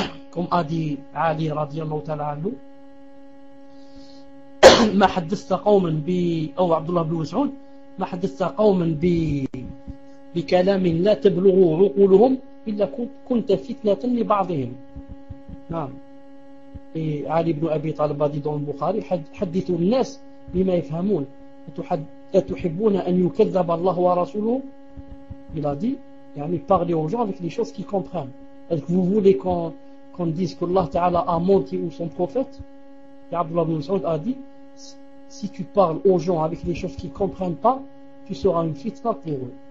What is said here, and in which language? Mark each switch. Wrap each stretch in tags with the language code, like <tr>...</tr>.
<fr>Comme a dit</fr> <ar>Ali radiallahu ta'ala anhu, ma haddista qawman bi, ou Abdullah ibn Mas'ud, ma haddista qawman bi بكلام لا تبلغ عقولهم إلا كنت فتنة لبعضهم. نعم. علي بن أبي طالب في البخاري حدث الناس بما يفهمون. أتحبون أن يكذب الله ورسوله؟</ar> <fr>il a dit, يعني parler aux gens avec les choses qu'ils comprennent. Est-ce que vous voulez qu'on dise que Allah Ta'ala a menti ou son prophète? Et Abdullah ibn Saoud a dit, si tu parles aux gens avec les choses qu'ils comprennent pas, tu seras une fitna pour eux.</fr>